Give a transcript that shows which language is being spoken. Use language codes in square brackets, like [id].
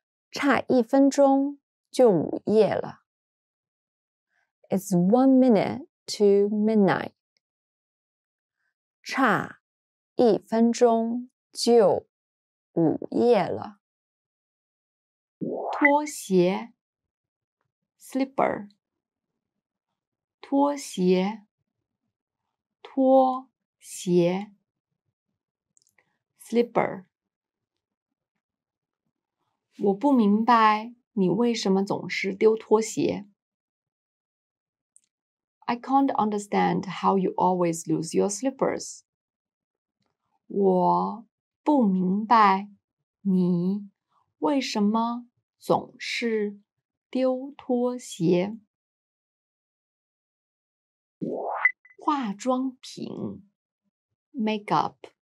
[zh] 差一分钟就午夜了 [en] It's 1 minute to midnight [zh] 差一分钟就午夜了拖鞋 [en] slipper [zh] 拖鞋拖鞋 slipper 我不明白你为什么总是丢拖鞋 [en] I can't understand how you always lose your slippers [zh] 我不明白你为什么总是丢拖鞋。化妆品 [en] ，makeup，